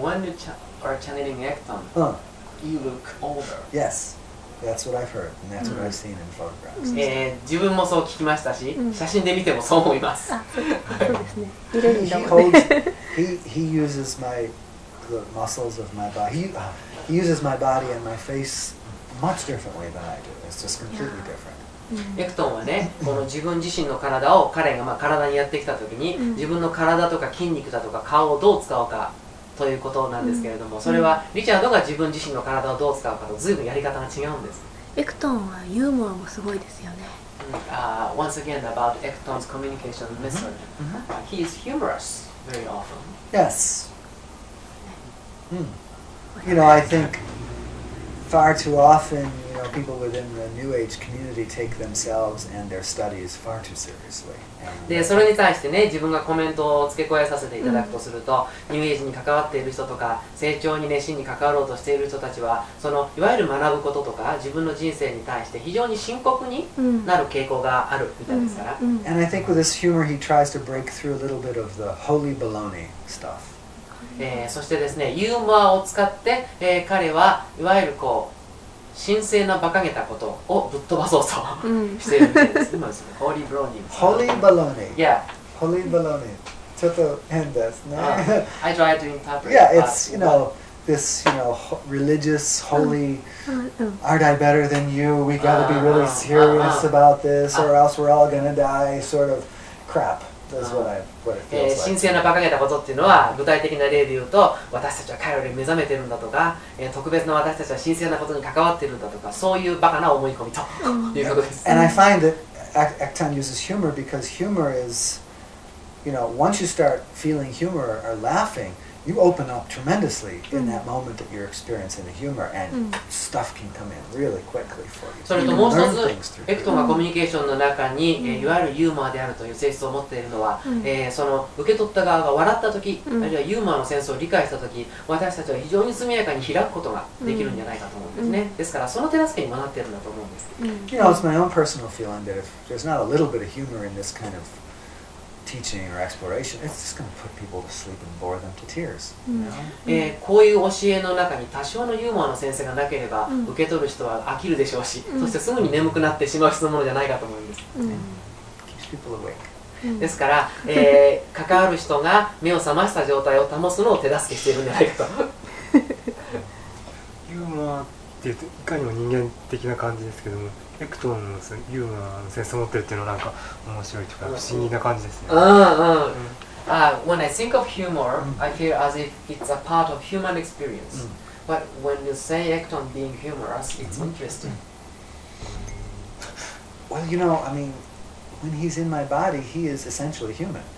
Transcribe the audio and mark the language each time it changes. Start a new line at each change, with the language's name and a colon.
English: When you are channeling Ekton, you look older. Yes, that's what I've heard, and that's what I've seen in photographs.
Japanese: 自分もそう聞きましたし、写真で見てもそう思います。そうですね。
English: He holds, he uses my the muscles of my body. He uses my body and my face much differently than I do. It's just completely different.
Japanese: エクトンはね、この自分自身の体を彼がまあ体にやってきたときに、自分の体とか筋肉だとか顔をどう使おうか。ということなんですけれども、それはリチャードが自分自身の体をどう使うかとずいぶんやり方が違うんです。エクトンはユーモアもすごいですよね。
English: Once again about Ekton's communication method、he is humorous very often. Yes.、You know, I think far too often, you know, people within the New Age community take themselves and their studies far too seriously.
Japanese: でそれに対してね、自分がコメントを付け加えさせていただくとすると、ニューエイジに関わっている人とか成長に熱心に関わろうとしている人たちは、そのいわゆる学ぶこととか自分の人生に対して非常に深刻になる傾向があるみたいですから、
English: And I think with this humor he tries to break through a little bit of the holy baloney stuff、
Japanese: そしてですね、ユーモアを使って、彼はいわゆるこう神聖な馬鹿げたことをぶっ飛ばそうとしているみたいです。
English: ホーリーブローニー。ホーリーバローニー。 Yeah.
Japanese: ホーリーバローニー。ちょっと変ですね。
English: I try to interpret. Yeah, it's, you know, this, you know, religious, holy, aren't I better than you? We gotta be really serious about this or else we're all gonna die sort of crap. That's what it feels like.
Japanese: 神聖な馬鹿げたことっていうのは、具体的な例で言うと、私たちは彼より目覚めてるんだとか、特別な私たちは神聖なことに関わってるんだとか、そういうバカな思い込みということです。
English: And I find that Ekton uses humor because humor is, you know, once you start feeling humor or laughing, you open up tremendously in that moment that you're experiencing the humor and stuff can come in really quickly for you.
Japanese: それともう一つ、エクトンがコミュニケーションの中に、いわゆるユーモアであるという性質を持っているのは、その受け取った側が笑った時、あるいはユーモアのセンスを理解した時、私たちは非常に速やかに開くことができるんじゃないかと思うんですね。ですからその手助けにもなっているんだと思うんです。
English: You know, it's my own personal feeling that if there's not a little bit of humor in this kind ofteaching or exploration, it's just going to put people to sleep and bore them to tears.
Japanese: こういう教えの中に多少のユーモアの先生がなければ、受け取る人は飽きるでしょうし、そしてすぐに眠くなってしまう質のものじゃないかと思います。
English: Keeps people awake.
Japanese: ですから、関わる人が目を覚ました状態を保つのを手助けしているんじゃないかと。ユーモアっていかにも人間的な感じですけども、エクトンのユーモアのセンスを持ってるっていうのはなんか面白いとか不思議な感じですね。
English: When I think of humor, I feel as if it's a part of human experience. But when you say Ekton being humorous, it's interesting. Well, you know, I mean, when he's in my body, he is essentially human.